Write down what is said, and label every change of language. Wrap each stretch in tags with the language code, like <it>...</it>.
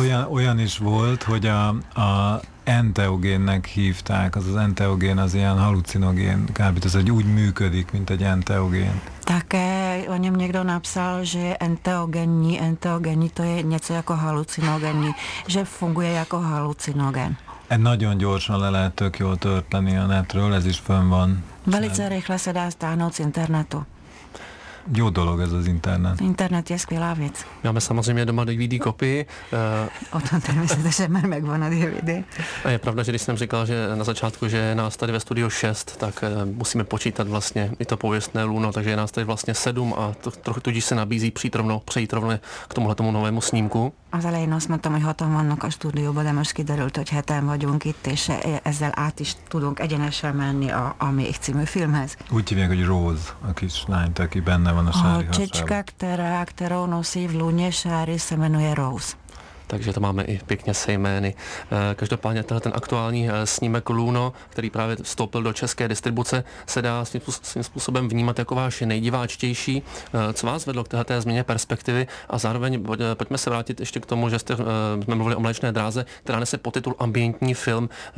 <hu>Olyan is volt, hogy a enteogénnek hívták, az az enteogén, az ilyen halucinogén kábítószer, hogy úgy működik, mint egy enteogén.</hu> <cs>Také o něm někdo napsal, že je enteogenní to je něco jako halucinogenní, že funguje jako halucinogen.</cs> <hu>Nagyon gyorsan le lehet tök jól törteni a netről, ez is fönn van.</hu> <cs>Velice rychle se dá stáhnout z internetu.</cs> <hu>Jó dolog ez az internet.</hu> <cs>Internet je skvělá věc. Máme samozřejmě doma DVD kopii. O tom tady myslíte, že máme jak na DVD. A je pravda, že když jsem říkal, že na začátku, že je nás tady ve studiu 6, tak musíme počítat vlastně i to pověstné luno, takže je nás tady vlastně 7 a trochu tudíž se nabízí přejít rovno k tomuhle tomu novému snímku.</cs> <hu>Az elején azt mondtam, hogy hatalmannak a stúdióban, de most kiderült, hogy heten vagyunk itt, és ezzel át is tudunk egyenesen menni a Méh című filmhez. Úgy hívják, hogy Rose, a kislány, aki benne van a sári hasába.</hu> <cs>A holčička, kterou nosí v luně sári, se jmenuje Rose. Takže to máme i pěkně se jmény. Každopádně tenhle ten aktuální snímek Luno, který právě vstoupil do české distribuce, se dá svým způsobem vnímat jako váš nejdiváčtější. Co vás vedlo k této změně perspektivy? A zároveň pojďme se vrátit ještě k tomu, že jsme mluvili o Mléčné dráze, která nese podtitul Ambientní film.</cs>